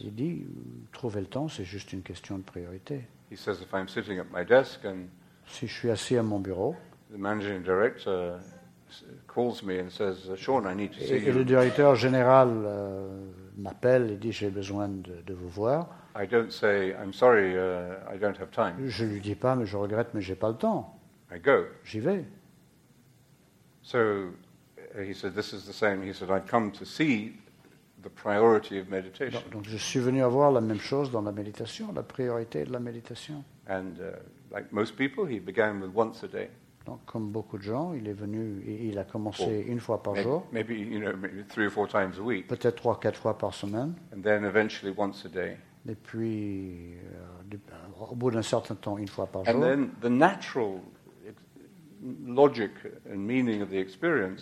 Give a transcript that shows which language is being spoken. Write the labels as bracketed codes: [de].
[fr] Il dit, trouver le temps, c'est juste une question de priorité. [en] He says, "If I'm sitting at my desk and [fr] si je suis assis à mon bureau, [en] the managing director calls me and says, 'Sean, I need to see [fr] et [en] you.'" [fr] Et le directeur général m'appelle et dit j'ai besoin de vous voir. [en] I don't say I'm sorry, I don't have time. [fr] Je lui dis pas mais je regrette mais j'ai pas le temps. [en] I go. [fr] J'y vais. [en] So he said this is the same. He said I've come to see the priority of meditation. [fr] Donc je suis venu à voir la même chose dans la méditation, la priorité de la méditation. [en] And like most people, he began with once a day. [fr] Donc, comme beaucoup de gens, il est venu, il a commencé une fois par jour. [en] Maybe three or four times a week. [fr] Peut-être trois, quatre fois par semaine. [en] And then eventually once a day. [fr] Et puis, au bout d'un certain temps, une fois par jour. [en] And then the natural logic and meaning of the experience.